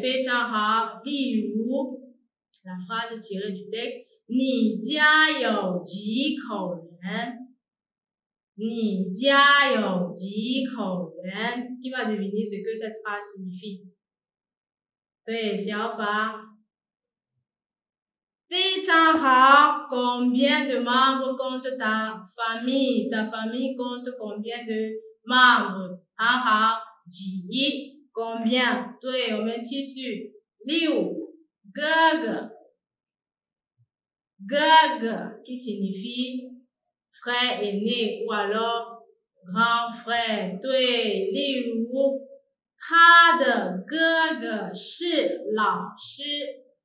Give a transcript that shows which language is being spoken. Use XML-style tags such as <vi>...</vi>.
<zh>非常好。例如 ，</zh> <fr>la phrase tirée du texte，</fr> <zh>你家有几口人？你家有几口人 ？</zh> <fr>Qui va deviner ce que cette phrase signifie？</fr> <zh>对，小法。非常好,</zh> <fr>combien de membres compte ta famille? Ta famille compte combien de membres?</fr> <zh>很好,几, combien? 对,我们继续. 六, 哥哥, 哥哥,</zh> <fr>qui signifie frère aîné ou alors grand frère?</fr> <zh>对,例如, 他的哥哥是老师。</zh>